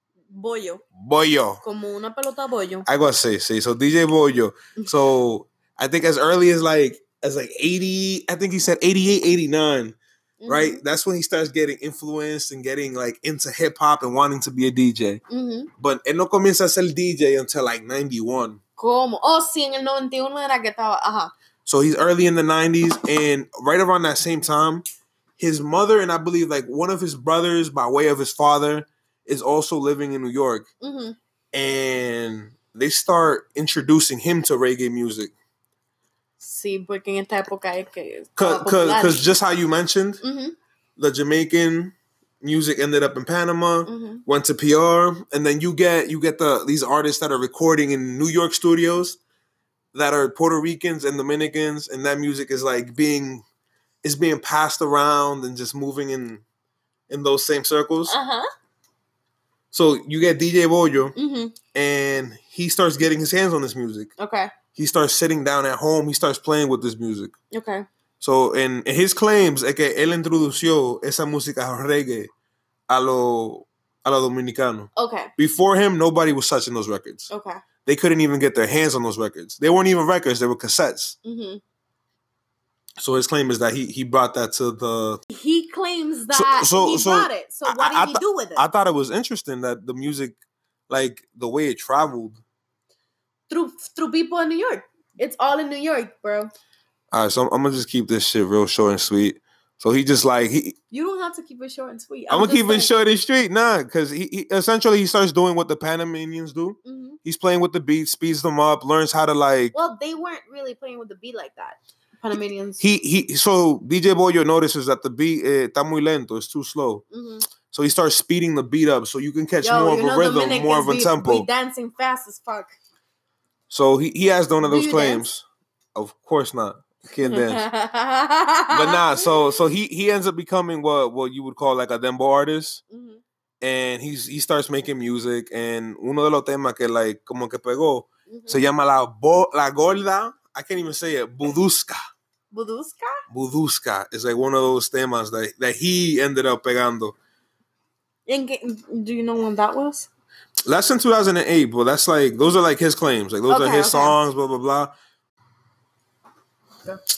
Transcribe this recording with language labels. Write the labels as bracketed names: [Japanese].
[Spanish] Boyo. Boyo. Como una pelota boyo. [English] I gotta say. So DJ Boyo. So I think as early as 80, I think he said 88, 89, mm-hmm. right? That's when he starts getting influenced and getting like into hip hop and wanting to be a DJ. Mm-hmm. But [Spanish] él no comienza a ser DJ [English] until like 91. [Spanish] Como? Oh, sí, en el 91 era que estaba, ajá. [English] So he's early in the 90s, and right around that same time, his mother and I believe like one of his brothers by way of his father is also living in New York. Mm-hmm. And they start introducing him to reggae music. [Spanish] Sí, porque en esta época es que... [English] Because just how you mentioned, mm-hmm. the Jamaican... Music ended up in Panama, mm-hmm. went to PR, and then you get the these artists that are recording in New York studios that are Puerto Ricans and Dominicans, and that music is like being passed around and just moving in those same circles. Uh-huh. So you get DJ Boyo, mm-hmm. and he starts getting his hands on this music. Okay. He starts sitting down at home, he starts playing with this music. Okay. So, in his claims, [Spanish] es que él introdució esa música reggae a lo dominicano. [English] Okay. Before him, nobody was touching those records. Okay. They couldn't even get their hands on those records. They weren't even records. They were cassettes. Mm-hmm. So, his claim is that he brought that to the... He claims that he brought it. So, what did he do with it? I thought it was interesting that the music, like, the way it traveled... Through people in New York. It's all in New York, bro. All right, so I'm going to just keep this shit real short and sweet. So he just like he. You don't have to keep it short and sweet. I'm gonna keep it short and sweet, nah. Because he essentially he starts doing what the Panamanians do. Mm-hmm. He's playing with the beat, speeds them up, learns how to like. Well, they weren't really playing with the beat like that. Panamanians. He so DJ Boyo notices that the beat [Spanish] está muy lento. [English] It's too slow. Mm-hmm. So he starts speeding the beat up so you can catch more of a rhythm, more of a tempo. We dancing fast as fuck. So he has one of those claims. Dance? Of course not. Can't dance. But nah, so he ends up becoming what you would call like a dembow artist. Mm-hmm. And he starts making music. [Spanish] And uno de los temas que like como que pegó se llama La Gorda. [English] I can't even say it. Buduska. Buduska? Buduska is like one of those temas that he ended up pegando. Do you know when that was? That's in 2008, but that's like, those are like his claims. Like, those are his songs, blah, blah, blah. Yeah.